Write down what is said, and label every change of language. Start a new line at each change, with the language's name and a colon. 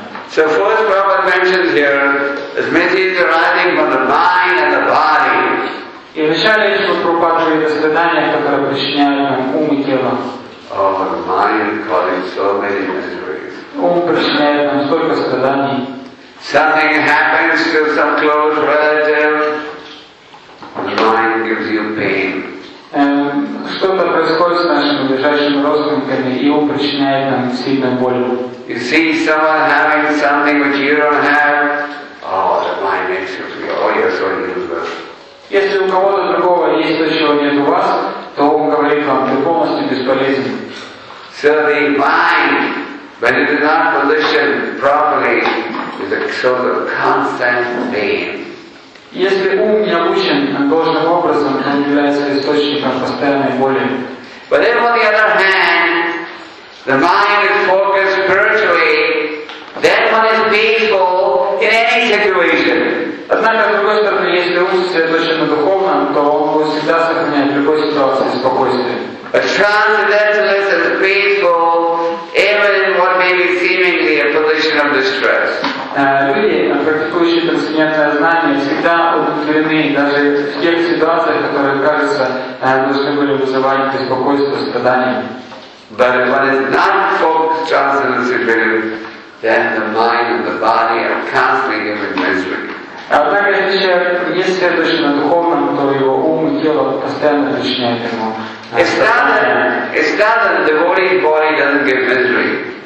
English: So first Prabhupada mentions here, as misery is arising from the mind and the body.
Russian: И вначале еще пропадают страдания, которые причиняют нам ум и тело.
English: Oh, the mind causing so many miseries.
Russian: Ум причиняет нам столько страданий.
English: Something happens to some close relative, the mind gives you pain.
Russian: Что-то происходит с нашими ближайшими родственниками, и ум причиняет нам сильную боль.
English: You see someone having something which you don't have, oh, the mind makes you feel, oh, you're so useless.
Russian: Если у кого-то другого есть то, чего нет у вас, то он говорит вам, ты полностью бесполезен.
English: So the mind, when it is not positioned properly, is a sort of constant pain.
Russian: Если ум не обучен должным образом, он является источником постоянной боли.
English: But then on the other hand, the mind is focused spiritually, then one is peaceful in any situation.
Russian: Однако, с другой стороны, если ум сосредоточен на духовном, то он будет всегда сохранять в любой ситуации спокойствие.
English: A transcendentalist is peaceful even in what may be seemingly a position of distress.
Russian: Люди, практикующие трансцендентное знание, всегда удовлетворены даже в тех ситуациях, которые, кажется, должны были вызывать беспокойство, страдания.
English: But if one is not focused on transcendentalism, then the mind and the body are constantly given misery.
Russian: Однако, если человек есть следующий на духовном, то его ум и тело постоянно причиняют ему.
English: It's not that the devotee's body doesn't give misery.